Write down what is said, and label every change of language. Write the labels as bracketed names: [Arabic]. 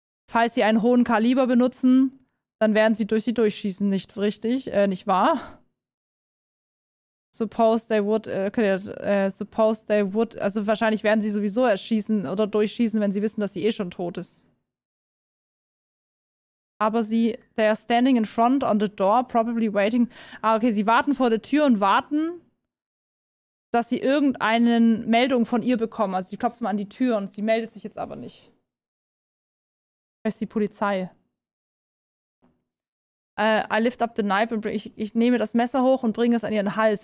[German] Falls sie einen hohen Kaliber benutzen, dann werden sie durch sie durchschießen, nicht richtig, nicht wahr? Also wahrscheinlich werden sie sowieso erschießen oder durchschießen, wenn sie wissen, dass sie eh schon tot ist. Aber sie, [English] they are standing in front on the door, probably waiting. [German] Ah, okay, sie warten vor der Tür und warten, dass sie irgendeine Meldung von ihr bekommen. Also sie klopfen an die Tür und sie meldet sich jetzt aber nicht. Es ist die Polizei. [English] I lift up the knife [German] und ich nehme das Messer hoch und bringe es an ihren Hals.